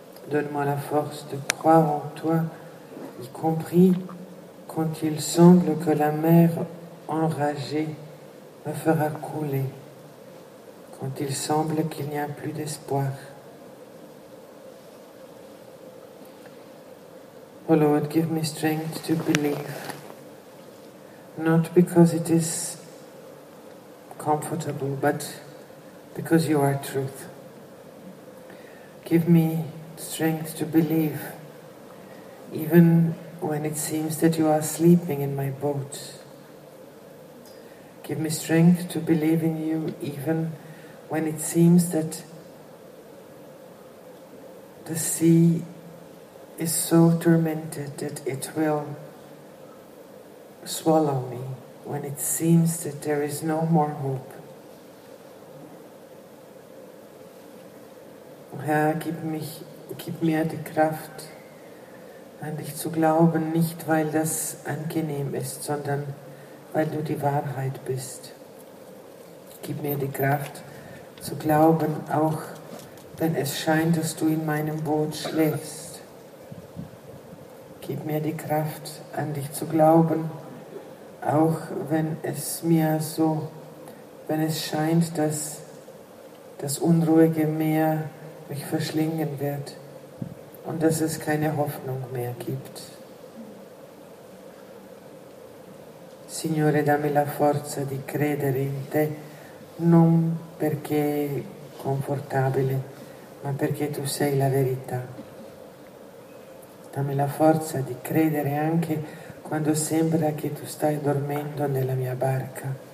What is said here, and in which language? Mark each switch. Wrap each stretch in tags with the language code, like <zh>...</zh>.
<fr>Donne-moi la force de croire en toi, y compris quand il semble que la mer enragée me fera couler, quand il semble qu'il n'y a plus d'espoir.</fr> <en>O Lord, give me strength to believe, not because it is comfortable, but because you are truth. Give me strength to believe, even when it seems that you are sleeping in my boat. Give me strength to believe in you, even when it seems that the sea is so tormented that it will swallow me when it seems that there is no more hope.</en> <de>Herr, gib mir die Kraft, an dich zu glauben, nicht weil das angenehm ist, sondern weil du die Wahrheit bist. Gib mir die Kraft zu glauben, auch wenn es scheint, dass du in meinem Boot schläfst. Gib mir die Kraft, an dich zu glauben, auch wenn es mir so, wenn es scheint, dass das unruhige Meer mich verschlingen wird und dass es keine Hoffnung mehr gibt.</de> <it>Signore, dammi la forza di credere in te, non perché è confortabile, ma perché tu sei la verità. Dammi la forza di credere anche quando sembra che tu stai dormendo nella mia barca.</it>